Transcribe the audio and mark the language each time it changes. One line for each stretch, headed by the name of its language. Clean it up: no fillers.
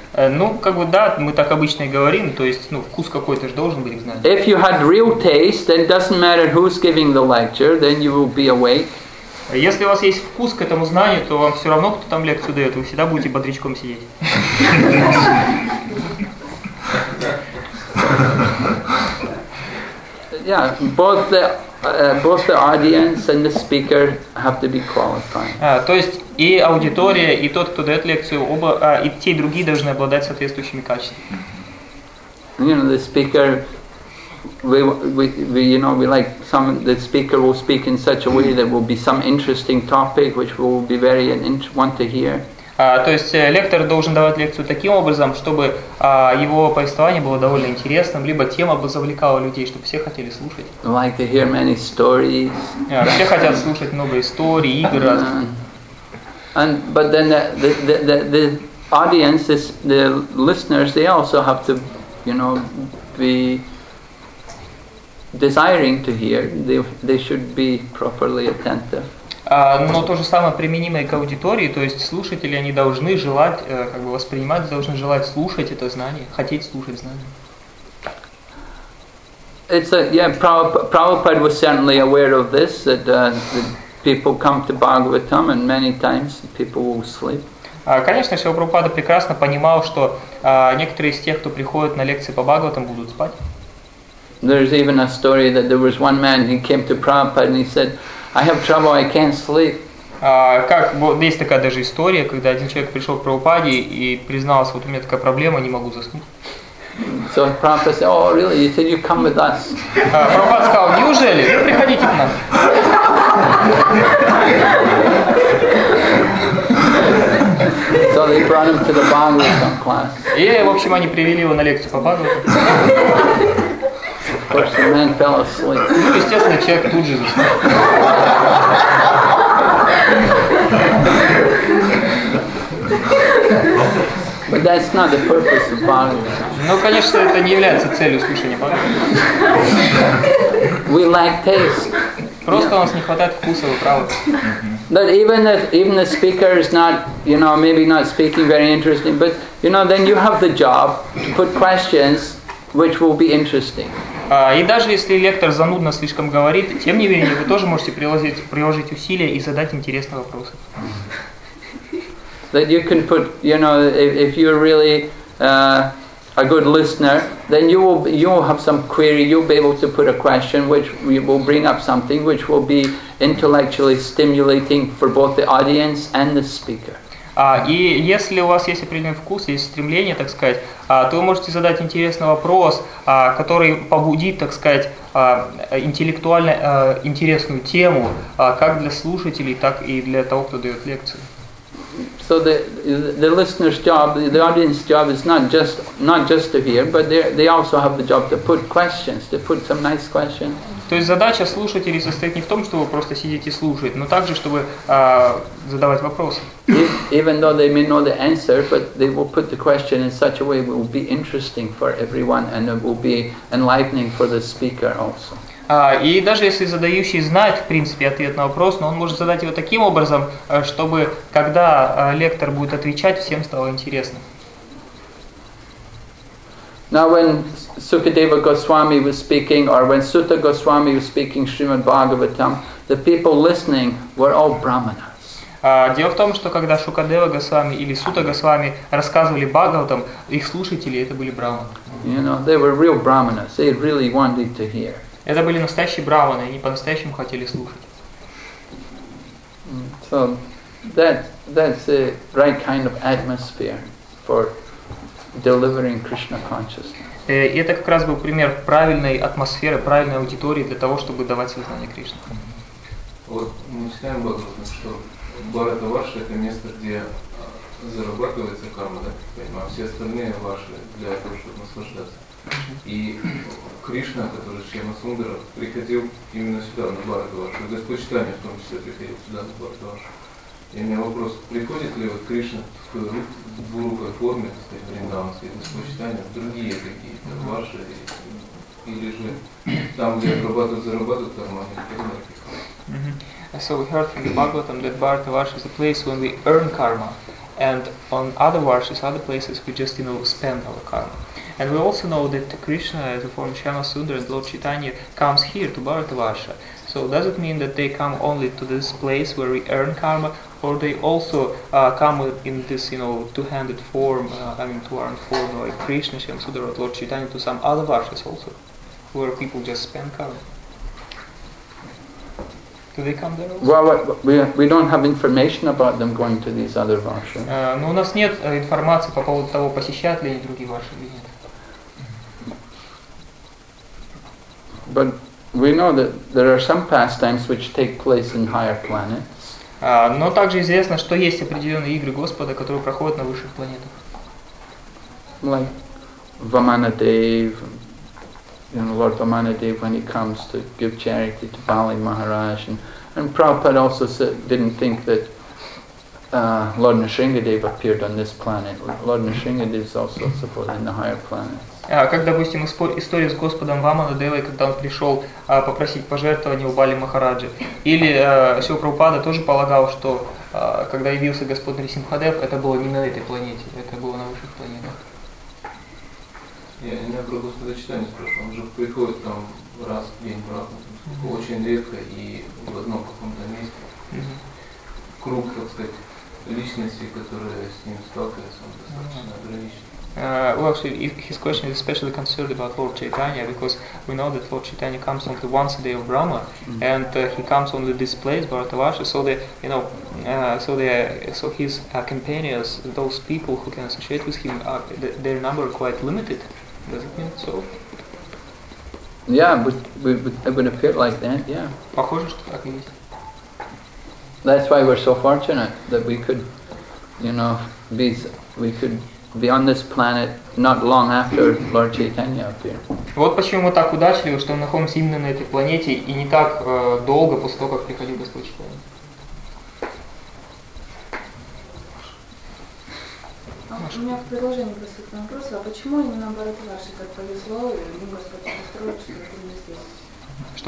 Russian: Ну, как бы да, мы так обычно и говорим, то есть, ну, вкус какой-то же должен быть, знаете.
English: If you had real taste, then it doesn't matter who's giving the lecture, then you will be awake.
Russian: Если у вас есть вкус к этому знанию, то вам все равно, кто там лекцию дает, вы всегда будете бодрячком сидеть.
English: Yeah, both the audience and the speaker have to be qualified.
Russian: То есть и аудитория, и тот, кто дает лекцию, оба, и те и другие должны обладать соответствующими качествами.
English: You know, the speaker. We like some. The speaker will speak in such a way that will be some interesting topic, which will be very want to hear.
Russian: То есть лектор должен давать лекцию таким образом, чтобы его повествование было довольно интересным, либо тема бы завлекала людей, чтобы все хотели слушать.
English: Like to hear many stories.
Russian: Все хотят слушать много историй, игр.
English: And but then the audience, the listeners, they also have to, you know, be desiring to hear, they should be properly attentive.
Russian: Но то же самое применимо и к аудитории, то есть слушатели, они должны желать, как бы воспринимать, должны желать слушать это знание, хотеть слушать знание.
English: Prabhupada was certainly aware of this, that people come to Bhagavatam and many times people will sleep.
Russian: Конечно, Шрила Прабхупада прекрасно понимал, что некоторые из тех, кто приходят на лекции по Бхагаватам, будут спать.
English: There's even a story that there was one man who came to Prabhupada and he said, "I have trouble. I can't sleep."
Russian: Как вот есть такая даже история, когда один человек пришел к Прабхупаде и признался, вот у меня такая проблема, не могу заснуть.
English: So Prabhupada said, "Oh, really? You said you come with us?"
Russian: Прабхупада сказал, неужели? Приходите к нам.
English: So they brought him to the Bhagavatam class.
Russian: И в общем они привели его на лекцию по Бхагавату.
English: Of course, the man fell asleep.
Russian: Ну, естественно, человек тут же заснул.
English: But that's not the purpose of Bhagavatam.
Russian: Ну, конечно, это не является целью слушания Бхагавата.
English: We lack taste.
Russian: Просто у нас не хватает вкуса, вы правы.
English: But even the speaker is not, you know, maybe not speaking very interesting, but, you know, then you have the job to put questions which will be interesting.
Russian: И даже если лектор занудно слишком говорит, тем не менее, вы тоже можете приложить усилия и задать интересные вопросы.
English: That you can put, you know, if you're really a good listener, then you will have some query, you'll be able to put a question which will bring up something which will be intellectually stimulating for both the audience and the speaker.
Russian: И если у вас есть определенный вкус, есть стремление, так сказать, то вы можете задать интересный вопрос, который побудит, так сказать, интеллектуально интересную тему, как для слушателей, так и для того, кто дает лекцию.
English: So the listener's job, the audience's job is not just to hear, but they also have the job to put questions, to put some nice questions.
Russian: То есть задача слушателей состоит не в том, чтобы просто сидеть и слушать, но также, чтобы задавать вопросы.
English: Even though they may know the answer, but they will put the question in such a way it will be interesting for everyone and it will be enlightening for the speaker also.
Russian: И даже если задающий знает, в принципе, ответ на вопрос, но он может задать его таким образом, чтобы когда лектор будет отвечать, всем стало интересно.
English: Now when Sukadeva Goswami was speaking, or when Sutta Goswami was speaking Srimad Bhagavatam, the people listening were all brahmanas.
Russian: Дело в том, что когда Шукадева Госвами или Сута Госвами рассказывали Бхагаватам, их слушатели это были брахманы.
English: You know, they were real brahmanas. They really wanted to hear.
Russian: Это были настоящие брахманы, они по-настоящему хотели слушать.
English: So that's the right kind of atmosphere for delivering Krishna consciousness.
Russian: Это как раз был пример правильной атмосферы, правильной аудитории для того, чтобы давать сознание Кришне. Вот мы считаем, что Бхаратаварша это место, где зарабатывается карма, да? А все остальные ваши для того, чтобы наслаждаться. И Кришна, который Шьяма Сундара, приходил именно сюда, на Бхаратавашу. Господь Читания в том числе приходил сюда, на Бхаратавашу. И у меня вопрос, приходит ли вот Кришна в грубой форме, так сказать, Вриндаванской, в Господь Читания, в другие какие-то, ваши, или же там, где зарабатывают карма, они приходят.
English: So we heard from the Bhagavatam that Bhartavarsha is a place when we earn karma, and on other varshas, other places, we just, you know, spend our karma. And we also know that Krishna, as a form of Shyama Sundara and Lord Chaitanya, comes here to Bhartavarsha. So does it mean that they come only to this place where we earn karma, or they also come in this, you know, two-handed form, two-armed form, like Krishna, Shyama Sundara, Lord Chaitanya, to some other varshas also, where people just spend karma? Do they come there also? Well, we don't have information about them going to these other varshas.
Russian: Но у нас нет информации по поводу того, посещают ли они другие варши или нет.
English: But we know that there are some pastimes which take place in higher planets.
Russian: Но также известно, что есть определенные игры Господа, которые проходят на высших планетах.
English: Like Vamanadev. You know, Lord Vamanadeva, when he comes to give charity to Bali Maharaj, and Prabhupada also didn't think that Lord Nrisimhadeva appeared on this planet. Lord Nrisimhadeva is also supposed in the higher planets.
Russian: Как, допустим, история с Господом Вамадевой, когда он пришел попросить пожертвования у Бали Махараджи. Или Шрила Прабхупада тоже полагал, что когда явился Господь Нрисимхадев, это было не на этой планете, это было на высших планетах. Я про Господа Читания спрашиваю. Он же приходит там раз в день, правда, очень редко и в одном каком-то месте. Круг, так сказать, личностей, которые с ним сталкиваются, он достаточно ограничен.
English: Well, actually, his question is especially concerned about Lord Chaitanya, because we know that Lord Chaitanya comes only once a day of Brahma, and he comes only this place, Bharatavarsha, so his companions, those people who can associate with him, their number are quite limited. Does it mean so? Yeah, it would appear like that, yeah.
Russian: Похоже, что так и есть.
English: That's why we're so fortunate that we could, you know, be on this planet not long after Lord Chaitanya appeared.
Russian: Вот почему мы так удачливы, что мы находимся именно на этой планете и не так долго после того, как приходил Господь Чайтанья. Можно продолжение вопроса, а почему именно Бхаратаварша так повезло, и Господь построил, что мы здесь?